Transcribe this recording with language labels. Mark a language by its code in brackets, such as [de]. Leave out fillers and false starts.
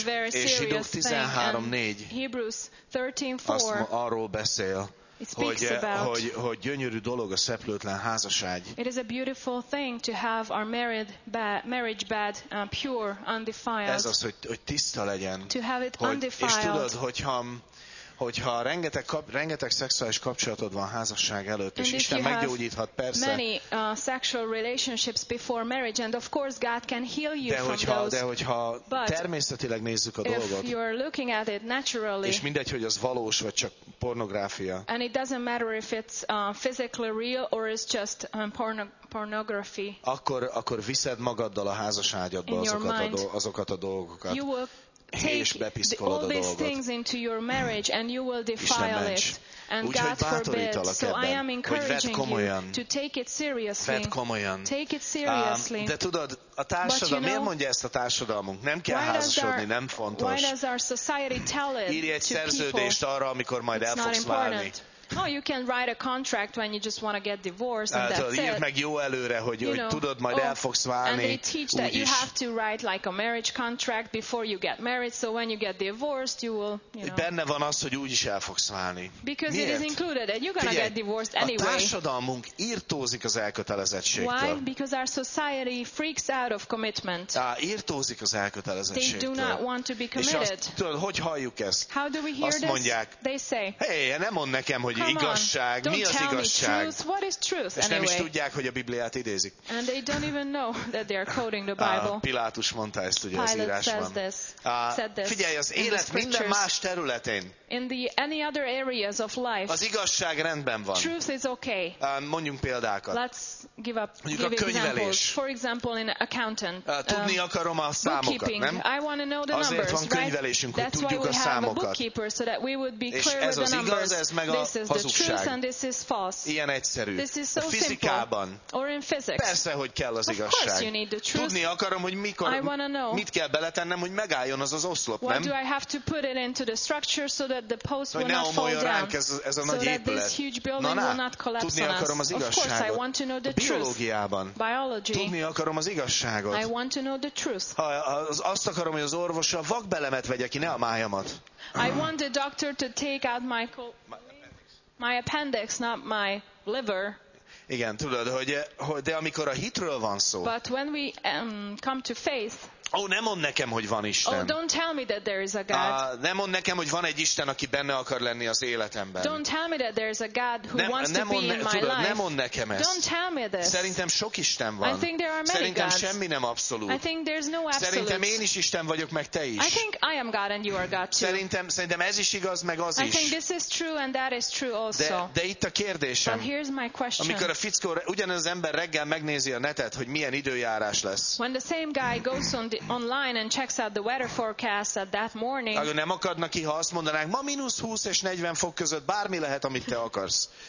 [hu] És Zsidók 13:4 arról beszél, hogy gyönyörű dolog a szeplőtlen házasság. [en] It is a beautiful thing to have our marriage bed pure, undefiled. [hu] Ez az, hogy tiszta legyen. [en] To have it undefiled. [hu] És tudod, hogyha rengeteg szexuális kapcsolatod van házasság előtt, [en] and [hu] és Isten meggyógyíthat, persze. [en] Many sexual relationships before marriage, and of course God can heal you from those. [hu] De hogyha természetileg nézzük a dolgot, [en] if you're looking at it naturally, [hu] és mindegy, hogy az valós vagy csak pornográfia, [en] and it doesn't matter if it's physically real or it's just pornography, [hu] akkor viszed magaddal a házaságyadba azokat a dolgokat. [en] You will take all these things into your marriage and you will defile it. And God forbid. So I am encouraging you to take it seriously. Take it seriously. [hu] De tudod, a társadalom, [en] you know, [hu] miért mondja ezt a társadalmunk? Nem kell házasodni, nem fontos. [en] Why does our society tell it to people? [hu] Írj egy szerződést arra, amikor majd el fogsz válni. [en] No, you can write a contract when you just want to get divorced and that's it. [hu] Írd meg jó előre, hogy tudod, majd el fogsz válni. [en] And they teach that you have to write like a marriage contract before you get married, so when you get divorced, you will, you know. [hu] Benne van az, hogy úgyis el fogsz válni. [en] Because [hu] miért? [en] It is included that you're going to get divorced anyway. [hu] A társadalmunk írtózik az elkötelezettségtől. [en] Why? Because our society freaks out of commitment. [hu] Írtózik az elkötelezettségtől. [en] They do not want to be committed. [hu] És tudod, hogy halljuk ezt? [en] How do we hear [hu] azt mondják, [en] this? They say, [hu] hey, nem mond nekem, hogy igazság, mi az igazság? [en] Truth, [hu] és [en] anyway. [hu] Nem is tudják, hogy a Bibliát idézik. [en] And they don't even know that they are quoting the Bible. [hu] Pilátus mondta ezt, ugye, az írásban. Figyelj, az élet minden más területén. [en] In the any other areas of life. [hu] Az igazság rendben van. [en] Truth is okay. [hu] Mondjunk példákat. [en] Let's give up. [hu] Mondjuk a könyvelés. [en] For example, in accountant. [hu] Tudni akarom a számokat, nem? [en] I want to know the numbers. [hu] Azért van könyvelésünk, [en] right? [hu] Hogy tudjuk a számokat. [en] So that we would be clear [hu] ez az igaz, ez meg a hazugság. Ilyen egyszerű. [en] This is so [hu] a fizikában. Persze, hogy kell az igazság. Tudni akarom, hogy mikor, mit kell beletennem, hogy megálljon az az oszlop, nem? [en] What do I have to put it into the structure so that the post will not fall down? [hu] Ez a [en] so [hu] nagy épület. [en] That this huge building will not collapse. [hu] Tudni akarom az igazságot. [en] Of course, I want to know the truth. [hu] Biológiában. [en] Biology. [hu] Tudni akarom az igazságot. [en] I want to know the truth. [hu] Azt akarom, hogy az orvos a vakbelemet vegye ki, ne a májamat. [en] I want the doctor to take out my appendix, not my liver. [hu] Igen, tudod, hogy de amikor a hitről van szó. [en] But when we come to faith. [hu] Ó, nem mond nekem, hogy van Isten. [en] Oh, don't tell me that there is a God. [hu] Nem mond nekem, hogy van egy Isten, aki benne akar lenni az életemben. [en] Don't tell me that there is a God who wants to be in my life. [hu] Nem mond nekem ezt. [en] Don't tell me this. [hu] Szerintem sok Isten van. [en] I think there are many gods. [hu] Szerintem [en] gods. [hu] Semmi nem abszolút. [en] I think there's no absolute. [hu] Szerintem én is Isten vagyok, meg te is. [en] I think I am God and you are God too. [hu] Szerintem ez is igaz, meg az is. [en] I think this is true and that is true also. [hu] De itt a kérdésem. [en] But here's my question. [hu] Amikor a fickó, ugyanaz ember reggel megnézi a netet, hogy milyen időjárás lesz. [en] When the same guy goes on online and checks out the weather forecast at that morning. [hu] Akkor nem akadna ki, ha azt mondanák, ma -20 és 40 fok között bármi lehet, amit te akarsz.